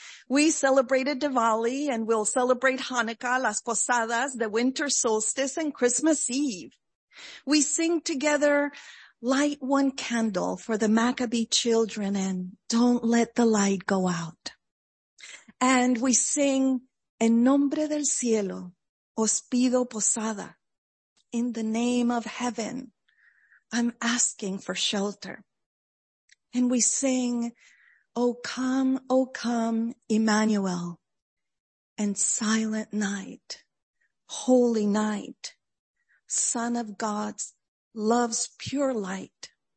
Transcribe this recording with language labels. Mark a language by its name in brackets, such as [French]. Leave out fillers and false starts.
[English] We celebrated Diwali and we'll celebrate Hanukkah, las posadas, the winter solstice, and Christmas Eve. We sing together, light one candle for the Maccabee children and don't let the light go out. And we sing, [Spanish] en nombre del cielo, os pido posada. [English] In the name of heaven, I'm asking for shelter. And we sing, O come, Emmanuel, and silent night, holy night, Son of God's love's pure light.